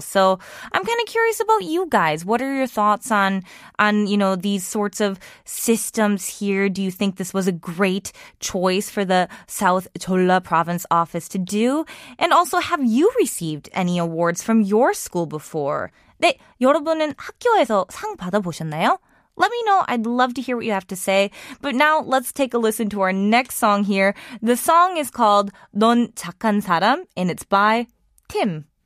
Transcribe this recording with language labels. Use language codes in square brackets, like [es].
[en] So I'm kind of curious about you guys. What are your thoughts on you know, these sorts of systems here? Do you think this was a great choice for the South Jeolla Province office to do? And also, have you received any awards from your school before? [ko] 네, 여러분은 학교에서 상 받아보셨나요? [en] Let me know. I'd love to hear what you have to say. But now let's take a listen to our next song here. The song is called 넌 착한 사람, and it's by Tim.